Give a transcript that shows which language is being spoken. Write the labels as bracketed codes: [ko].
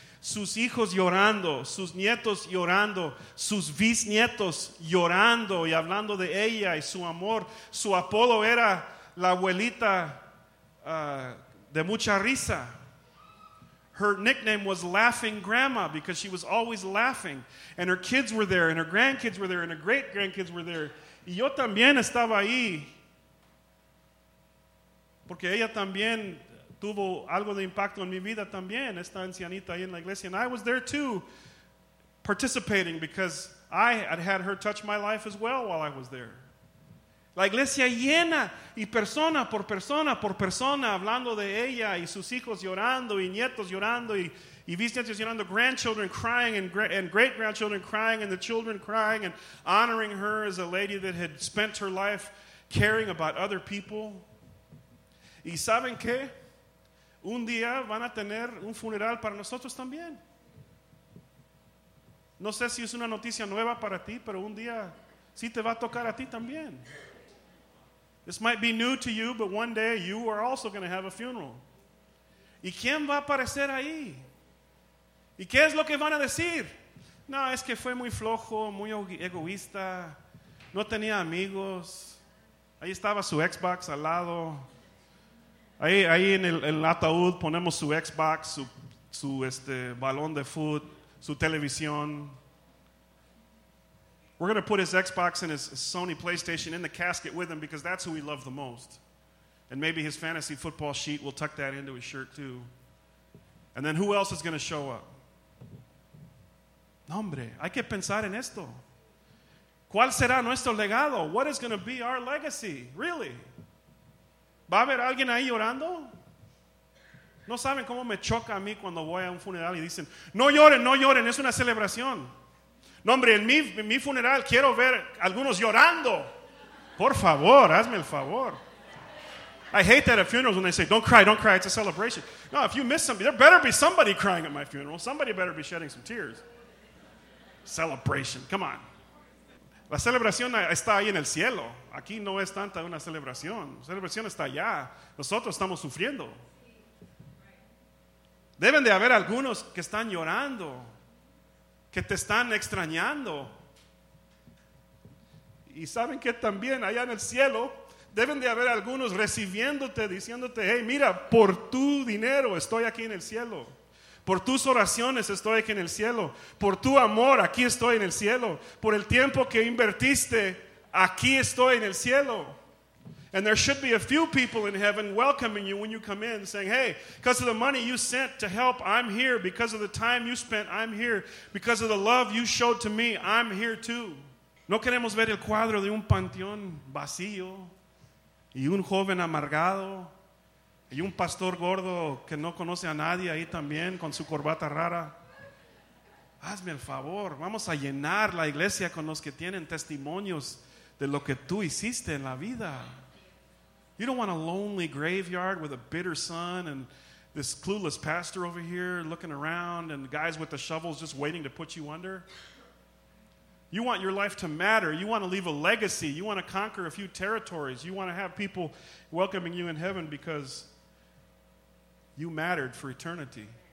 [es] Sus hijos llorando, sus nietos llorando, sus bisnietos llorando y hablando de ella y su amor. Su apodo era la abuelita de mucha risa. [en] Her nickname was Laughing Grandma because she was always laughing. And her kids were there, and her grandkids were there, and her great-grandkids were there. [es] Y yo también estaba ahí. Porque ella también tuvo algo de impacto en mi vida también, esta ancianita ahí en la iglesia. [en] And I was there too, participating, because I had had her touch my life as well while I was there. [es] La iglesia llena, y persona por persona por persona, hablando de ella, y sus hijos llorando, y nietos llorando, y bisnietos llorando, [en] grandchildren crying, and great-grandchildren crying, and the children crying, and honoring her as a lady that had spent her life caring about other people. [es] ¿Y saben qué? Un día van a tener un funeral para nosotros también. No sé si es una noticia nueva para ti, pero un día sí te va a tocar a ti también. [en] This might be new to you, but one day you are also going to have a funeral. [es] ¿Y quién va a aparecer ahí? ¿Y qué es lo que van a decir? No, es que fue muy flojo, muy egoísta. No tenía amigos. Ahí estaba su Xbox al lado. Ahí en el ataúd ponemos su Xbox, su balón de foot, su televisión. [en] We're going to put his Xbox and his Sony PlayStation in the casket with him because that's who he loved the most. And maybe his fantasy football sheet, we'll tuck that into his shirt too. And then who else is going to show up? [es] No, hombre, hay que pensar en esto. ¿Cuál será nuestro legado? [en] What is going to be our legacy? Really? [es] ¿Va a haber alguien ahí llorando? ¿No saben cómo me choca a mí cuando voy a un funeral y dicen, no lloren, no lloren, es una celebración? No, hombre, en mi funeral quiero ver algunos llorando. Por favor, hazme el favor. [en] I hate that at funerals when they say, don't cry, don't cry, it's a celebration. No, if you miss somebody, there better be somebody crying at my funeral. Somebody better be shedding some tears. Celebration, come on. [es] La celebración está ahí en el cielo. Aquí no es tanta una celebración. La celebración está allá. Nosotros estamos sufriendo. Deben de haber algunos que están llorando, que te están extrañando. Y saben que también allá en el cielo deben de haber algunos recibiéndote, diciéndote, hey, mira, por tu dinero estoy aquí en el cielo. Por tus oraciones estoy aquí en el cielo. Por tu amor aquí estoy en el cielo. Por el tiempo que invertiste aquí estoy en el cielo. [en] And there should be a few people in heaven welcoming you when you come in, saying, hey, because of the money you sent to help, I'm here. Because of the time you spent, I'm here. Because of the love you showed to me, I'm here too. [es] No queremos ver el cuadro de un panteón vacío y un joven amargado Y un pastor gordo que no conoce a nadie ahí también con su corbata rara. Hazme el favor, vamos a llenar la iglesia con los que tienen testimonios de lo que tú hiciste en la vida. [en] You don't want a lonely graveyard with a bitter son and this clueless pastor over here looking around and guys with the shovels just waiting to put you under. You want your life to matter. You want to leave a legacy. You want to conquer a few territories. You want to have people welcoming you in heaven because you mattered for eternity.